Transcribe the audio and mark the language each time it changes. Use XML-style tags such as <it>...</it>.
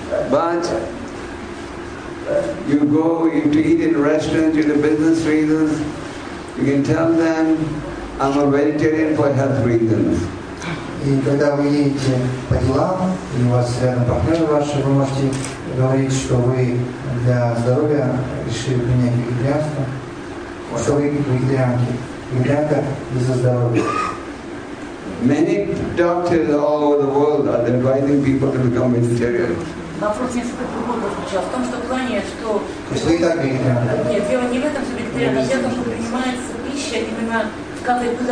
<en>But you go to eat in restaurants, you have business reasons, you can tell them, I'm a vegetarian for health reasons.</en> <ru>И когда вы едете по делам, и у вас рядом партнеры ваши, вы можете говорить, что вы для здоровья решили принять вегетарианство. Что вы вегетарианки? Вегетарианка из-за здоровья.</ru> <en>Many doctors all over the world are advising people to become vegetarian.</en> <ru>Вопрос несколько другой звучал. В том, что плане, что... То есть вы и так вегетарианка? Нет, дело не в этом, что вегетарианка, а в том, что принимается пища именно как</ru>